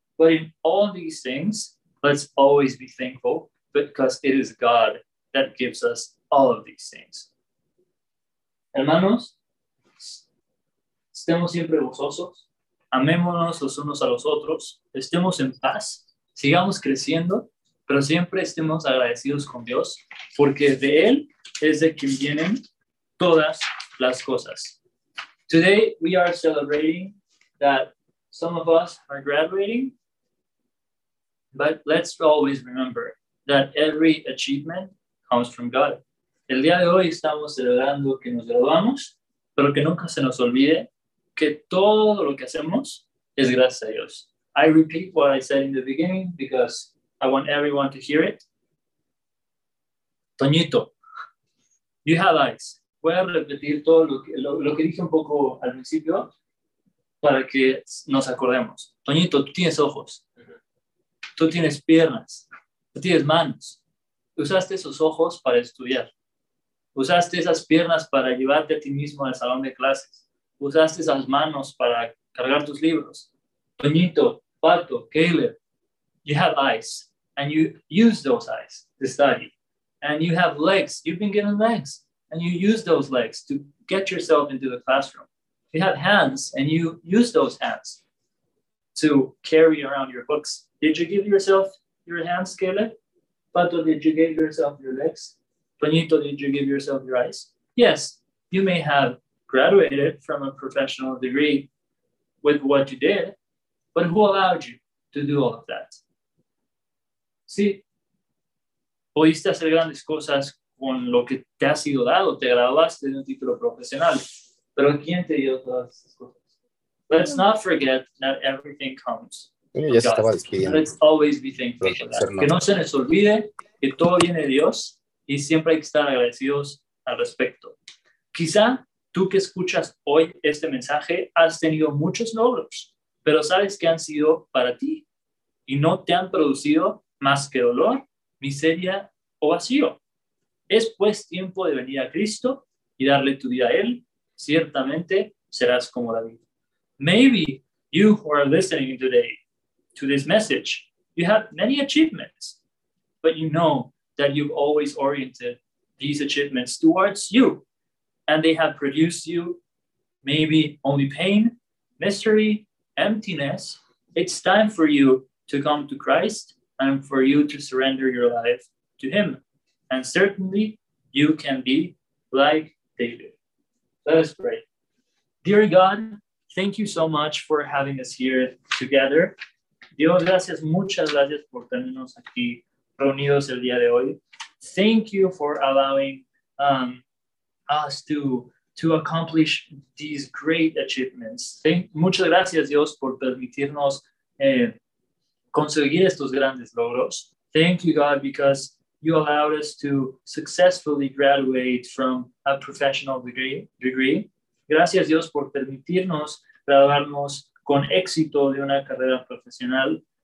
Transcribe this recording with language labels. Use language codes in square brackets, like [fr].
[en] But in all these things, let's always be thankful, because it is God that gives us all of these things. [es] Hermanos, estemos siempre gozosos, amémonos los unos a los otros, estemos en paz, sigamos creciendo, pero siempre estemos agradecidos con Dios, porque de Él es de quien vienen todas las cosas. [en] Today we are celebrating that some of us are graduating, but let's always remember that every achievement comes from God. [es] El día de hoy estamos celebrando que nos graduamos, pero que nunca se nos olvide que todo lo que hacemos es gracias a Dios. [en] I repeat what I said in the beginning because I want everyone to hear it. Toñito, you have eyes. [es] Voy a repetir todo lo que dije un poco al principio para que nos acordemos. Toñito, tú tienes ojos. Tú tienes piernas. Tú tienes manos. Usaste esos ojos para estudiar. Usaste esas piernas para llevarte a ti mismo al salón de clases. Usaste esas manos para cargar tus libros. Toñito, Pato, Caleb, [en] you have eyes. And you use those eyes to study. And you have legs. You've been given legs. And you use those legs to get yourself into the classroom. You have hands. And you use those hands to carry around your books. Did you give yourself your hands, Caleb? Pato, did you give yourself your legs? Toñito, did you give yourself your eyes? Yes, you may have graduated from a professional degree with what you did, but who allowed you to do all of that? [es] Sí, pudiste hacer grandes cosas con lo que te ha sido dado. Te graduaste de un título profesional, pero ¿quién te dio todas esas cosas? [en] Let's not forget that everything comes. [es] Ya se estaba despidiendo. [en] Let's always be thankful for that. [es] Que no se les olvide que todo viene de Dios y siempre hay que estar agradecidos al respecto. Quizá tú que escuchas hoy este mensaje has tenido muchos logros, pero sabes que han sido para ti y no te han producido más que dolor, miseria o vacío. Es pues tiempo de venir a Cristo y darle tu vida a Él. Ciertamente serás como David. [en] Maybe you who are listening today to this message, you have many achievements, but you know that you've always oriented these achievements towards you, and they have produced you maybe only pain, misery, emptiness. It's time for you to come to Christ and for you to surrender your life to Him. And certainly you can be like David. Let us pray. Dear God, thank you so much for having us here together. [es] Dios, gracias, muchas gracias por tenernos aquí reunidos el día de hoy. [en] Thank you for allowing us to accomplish these great achievements. [es] Muchas gracias, Dios, por permitirnos conseguir estos grandes logros. [en] Thank you, God, because you allowed us to successfully graduate from a professional degree. [es] Gracias, Dios, por permitirnos graduarnos con éxito de una carrera profesional.